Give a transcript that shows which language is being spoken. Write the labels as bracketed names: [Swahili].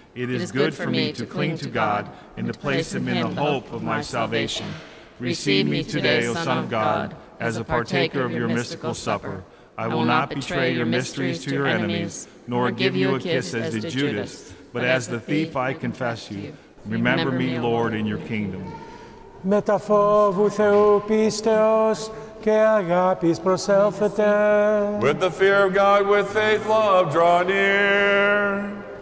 [English] It is good for me to cling to God and to place him in the hope of my salvation. Receive me today, O Son of God, as a partaker of your mystical supper. I will not betray your mysteries to your enemies, nor give you a kiss as did Judas, but as the thief I confess you. Remember me, Lord, in your kingdom. [Greek] Μετά φόβου Θεού πίστεως και αγάπης προσέλθετε. [English] With the fear of God, with faith, love, draw near.